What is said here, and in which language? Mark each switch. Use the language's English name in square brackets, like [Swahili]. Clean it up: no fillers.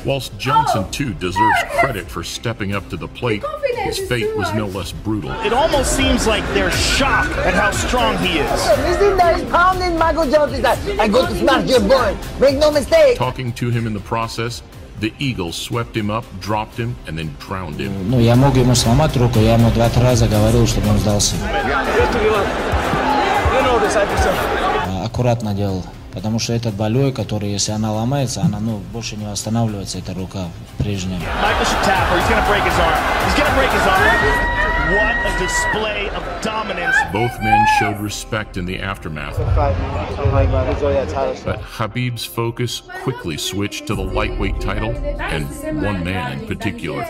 [English] Whilst Johnson, too, deserves credit for stepping up to the plate, his fate was no less brutal. It almost seems like they're shocked at how strong he is. Listen, there's pounding Michael Johnson's ass. I go to smash your boy. Make no mistake. Talking to him in the process, the Eagle swept him up, dropped him, and then drowned him. [Russian] Ну, я мог ему сломать руку, я ему два раза говорил, чтобы он сдался. Аккуратно делал, потому что этот болевой, который, если она ломается, она, ну, больше не восстанавливается, эта рука прежняя. [English] Michael should tap, or he's gonna break his arm. He's gonna break his arm. What a display of dominance. Both men showed respect in the aftermath. But Khabib's focus quickly switched to the lightweight title and one man in particular.